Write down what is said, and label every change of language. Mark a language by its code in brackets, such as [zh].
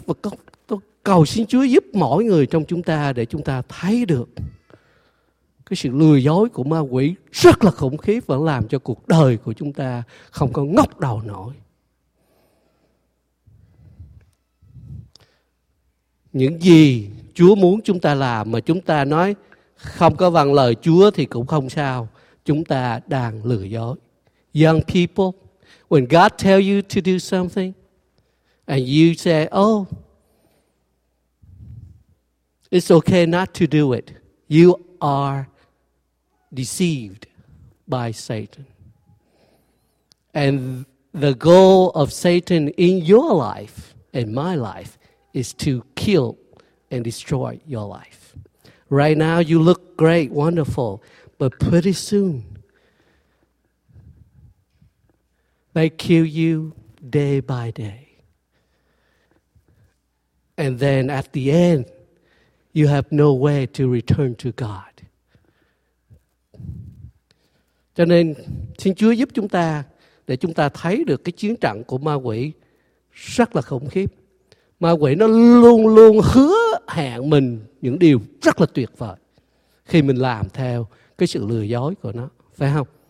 [vi] Và tôi cầu xin Chúa giúp mỗi người trong chúng ta để chúng ta thấy được cái sự lừa dối của ma quỷ rất là khủng khiếp, và làm cho cuộc đời của chúng ta không có ngóc đầu nổi. Những gì Chúa muốn chúng ta làm mà chúng ta nói không có bằng lời Chúa thì cũng không sao. Chúng ta đang lừa dối. [en] Young people, when God tell you to do something and you say, oh, it's okay not to do it, you are deceived by Satan. And the goal of Satan in your life and my life is to kill and destroy your life. Right now you look great, wonderful, but pretty soon they kill you day by day. And then at the end, you have no way to return to God. [vi] Cho nên, xin Chúa giúp chúng ta để chúng ta thấy được cái chiến trận của ma quỷ rất là khủng khiếp. Ma quỷ nó luôn luôn hứa hẹn mình những điều rất là tuyệt vời khi mình làm theo cái sự lừa dối của nó, phải không?